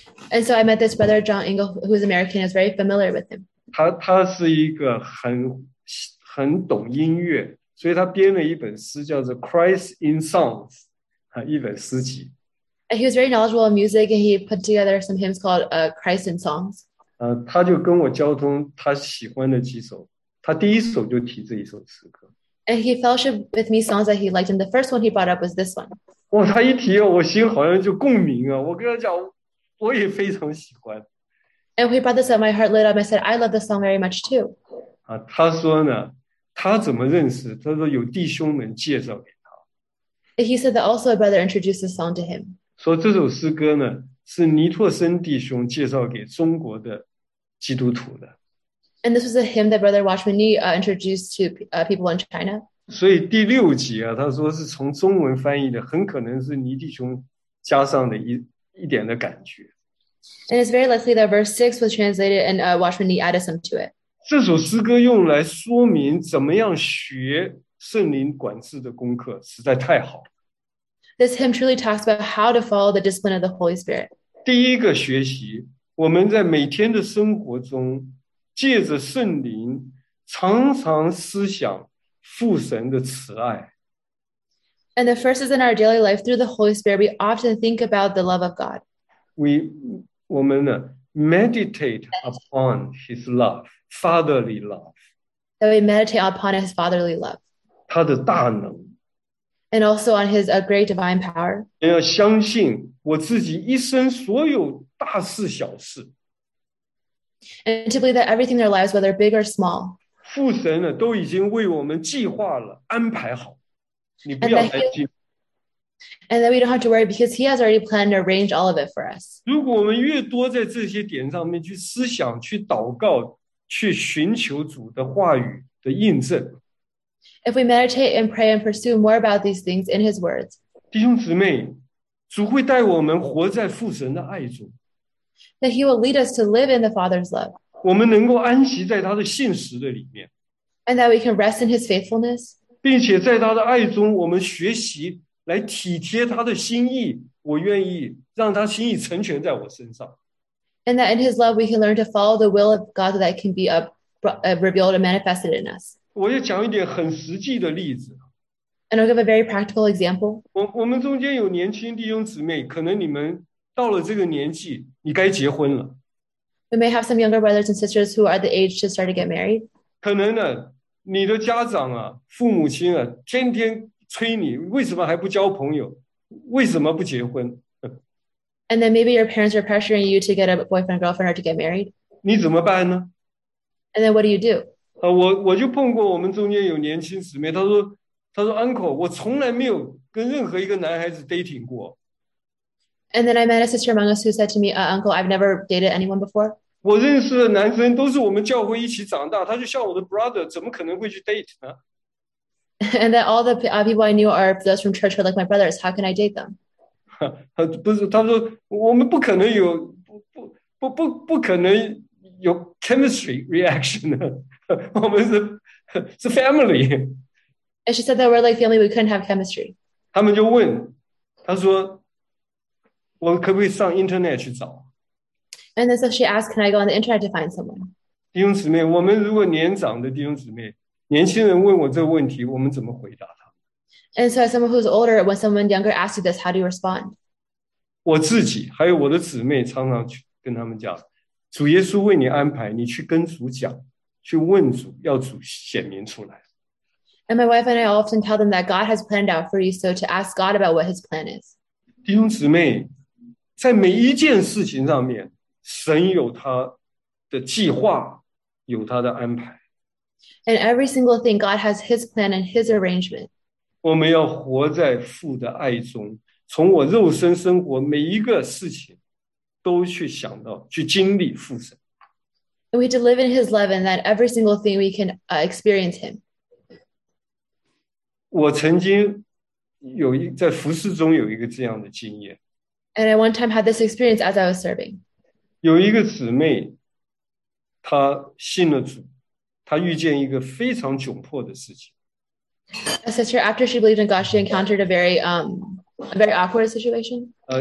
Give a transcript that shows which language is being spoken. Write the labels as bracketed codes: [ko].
[en] And so I met this brother, John Ingle, who is American. I was very familiar with him. [zh] 他是一个很懂音乐，所以他编了一本诗叫做 Christ in Songs, 一本诗集。 [en] And he was very knowledgeable in music, and he put together some hymns called Christ in Songs. [zh] 他就跟我交通他喜欢的几首，他第一首就提这一首诗歌。 [en] And he fellowshiped with me songs that he liked, and the first one he brought up was this one. [zh] 哇，他一提，我心好像就共鸣啊！我跟他讲，我也非常喜欢。 [en] And he brought this up, my heart lit up. I said, I love this song very much too. [zh] 他说呢，他怎么认识？他说有弟兄们介绍给他。 [en] And he said that also a brother introduced this song to him. [zh] 说这首诗歌呢，是尼托森弟兄介绍给中国的基督徒的。 [en] And this was a hymn that Brother Watchman Nee introduced to people in China. [zh] 所以第六节他说是从中文翻译的，很可能是尼弟兄加上的一点的感觉。 [en] And it's very likely that verse 6 was translated and Watchman Nee added some to it. [zh] 这首诗歌用来说明怎么样学圣灵管制的功课实在太好。 [en] This hymn truly talks about how to follow the discipline of the Holy Spirit. [zh] 第一个学习，我们在每天的生活中借着圣灵常常思想父神的慈爱。 [en] And the first is in our daily life, through the Holy Spirit, we often think about the love of God. We meditate upon his love, fatherly love. That we meditate upon his fatherly love. [zh] 他的大能。 [en] And also on his great divine power. [zh] 要相信我自己一生所有大事小事。 [en] And to believe that everything in their lives, whether big or small, [zh] 父神呢都已经为我们计划了安排好，你不要担心。 [en] And that we don't have to worry because he has already planned and arranged all of it for us. [zh] 如果我们越多在这些点上面去思想、去祷告、去寻求主的话语的印证， [en] If we meditate and pray and pursue more about these things in his words, [zh] 弟兄姊妹，主会带我们活在父神的爱中。 [en] That he will lead us to live in the Father's love. [zh] 我们能够安息在他的信实的里面。 [en] And that we can rest in his faithfulness. [zh] 并且在他的爱中，我们学习来体贴他的心意，我愿意让他心意成全在我身上。 [en] And that in his love we can learn to follow the will of God that can be revealed and manifested in us. [zh] 我要讲一点很实际的例子。 [en] And I'll give a very practical example. [zh] 我们中间有年轻弟兄姊妹，可能你们到了这个年纪，你该结婚了。 [en] We may have some younger brothers and sisters who are the age to start to get married. [zh] 可能呢，你的家长啊，父母亲啊，天天催你，为什么还不交朋友？为什么不结婚？ [en] And then maybe your parents are pressuring you to get a boyfriend, girlfriend, or to get married. [zh] 你怎么办呢？ [en] And then what do you do? [zh] 我就碰过我们中间有年轻姊妹，她说 Uncle, 我从来没有跟任何一个男孩子 dating 过。 [en] And then I met a sister among us who said to me, Uncle, I've never dated anyone before. [zh] 我认识的男生都是我们教会一起长大，他就像我的 brother, 怎么可能会去 date 呢？ [en] And that all the people I knew are those from church are like my brothers. How can I date them? [zh] 不是，他说我们不可能有不可能有 chemistry reaction 的，我们是 family. [en] And she said that we're like family, we couldn't have chemistry. [zh] 他们就问，他说我可不可以上 internet 去找？ [en] And so she asked, can I go on the internet to find someone? [zh] 弟兄姊妹，我们如果年长的弟兄姊妹，年轻人问我这个问题，我们怎么回答他？ [en] And so as someone who's older, when someone younger asks you this, how do you respond? [zh] 我自己还有我的姊妹常常去跟他们讲，主耶稣为你安排，你去跟主讲，去问主，要主显明出来。 [en] And my wife and I often tell them that God has planned out for you, so to ask God about what his plan is. [zh] 弟兄姊妹，在每一件事情上面，神有他的计划，有他的安排。 [en] And every single thing, God has his plan and his arrangement. [zh] 我们要活在父的爱中，从我肉身生活每一个事情，都去想到，去经历父神。 [en] And we have to live in his love and that every single thing we can experience him. [zh] 我曾经有一在服事中有一个这样的经验。 [en] And I one time had this experience as I was serving. [zh] 有一个姊妹，她信了主，她遇见一个非常窘迫的事情。 [en] A sister, after she believed in God, she encountered a very awkward situation.